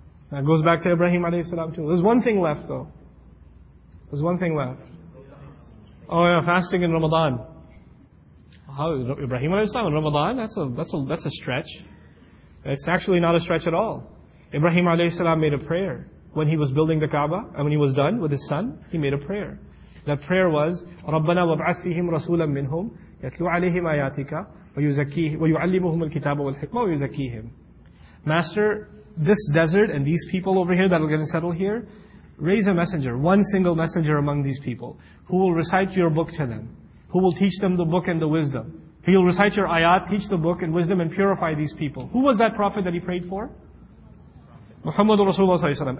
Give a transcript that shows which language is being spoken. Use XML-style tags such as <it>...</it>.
<en>That goes back to Ibrahim alayhi salam too. There's one thing left though. There's one thing left. Oh yeah, fasting in Ramadan. How, Ibrahim alayhi salam in Ramadan? That's a stretch. It's actually not a stretch at all. Ibrahim alayhi salam made a prayer when he was building the Kaaba, and when he was done with his son, he made a prayer. That prayer was,</en> <ar>رَبَّنَا وَابْعَثْ فِيهِمْ رَسُولًا مِّنْهُمْ يَتْلُوْ عَلَيْهِمْ آيَاتِكَ وَيُعَلِّمُهُمُ الْكِتَابَ وَالْحِكْمَةَ وَيُزَكِّيهِمْ.</ar> <en>Master, this desert and these people over here that are going to settle here, raise a messenger, one single messenger among these people, who will recite your book to them, who will teach them the book and the wisdom. He'll recite your ayat, teach the book and wisdom, and purify these people. Who was that prophet that he prayed for? Muhammad Rasulullah.</en>